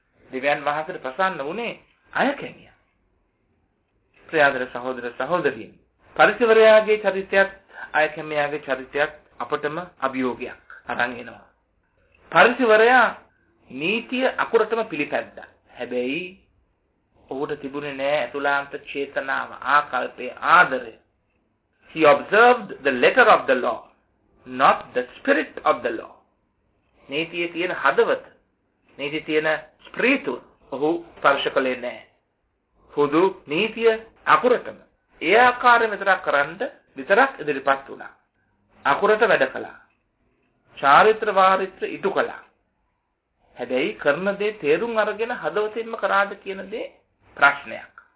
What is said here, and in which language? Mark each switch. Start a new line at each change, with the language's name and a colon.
Sinhala: දෙවියන් වහන්සේට ප්‍රසන්න වුණේ අයකැමියා. ප්‍රියදර සහෝදර සහෝදරියනි, පරිසවරයාගේ චරිතයත් අයකැමියාගේ චරිතයත් අපටම අභියෝගයක් අරන් එනවා. පරිසවරයා නීතිය අකුරටම පිළිපැද්දා. හැබැයි ඔහුට තිබුණේ නෑ ඇතුළාන්ත චේතනාව, ආකල්පයේ ආදරය.
English: He observed the letter of the law, not the spirit of the law.
Sinhala: නීතියේ තියෙන හදවත, නීතියේ තියෙන ස්පිරිතු ඔහු ස්පර්ශ කළේ නෑ. හුදු නීතිය අකුරටම ඒ ආකාරයෙන් විතරක් කරන්ද විතරක් ඉදිරිපත් වුණා. අකුරට වැඩ කළා. චාරිත්‍ර වාරිත්‍ර ඉටු කළා. හැබැයි කරන දේ තේරුම් අරගෙන හදවතින්ම කරාද කියන දේ ප්‍රශ්නයක්.